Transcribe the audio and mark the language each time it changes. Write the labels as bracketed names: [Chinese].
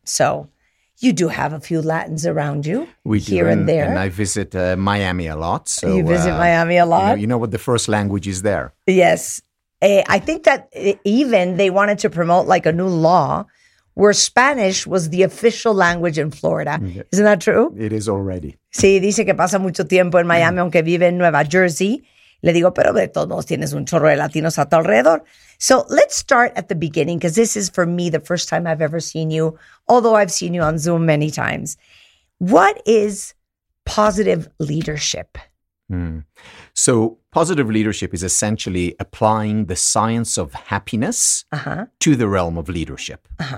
[English] So you do have a few Latins around you. We here do, and there. And I visit Miami a lot. So, you visit Miami a lot? You know what the first language is there. Yes. I think that even they wanted to promote like a new law where Spanish was the official language in Florida. Yeah. Isn't that true? It is already. [Spanish] Sí, dice que pasa mucho tiempo en Miami, mm-hmm. aunque vive en Nueva Jersey. Le digo, pero de todos modos tienes un chorro de latinos a tu alrededor. [English] So let's start at the beginning, because this is, for me, the first time I've ever seen you, although I've seen you on Zoom many times. What is positive leadership? Mm. So positive leadership is essentially applying the science of happiness to the realm of leadership.